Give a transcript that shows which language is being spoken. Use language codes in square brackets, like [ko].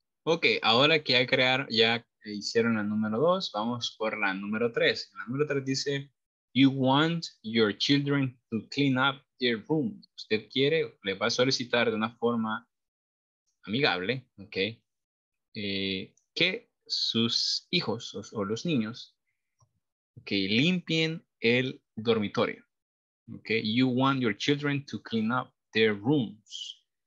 [es] Ok, ahora que ya crearon, ya hicieron la número 2, vamos por la número 3. La número 3 dice, [en] you want your children to clean up their room. [es] Usted quiere, le va a solicitar de una forma amigable, ok, que sus hijos o los niños, ok, limpien el dormitorio. [en] Ok, you want your children to clean up their rooms.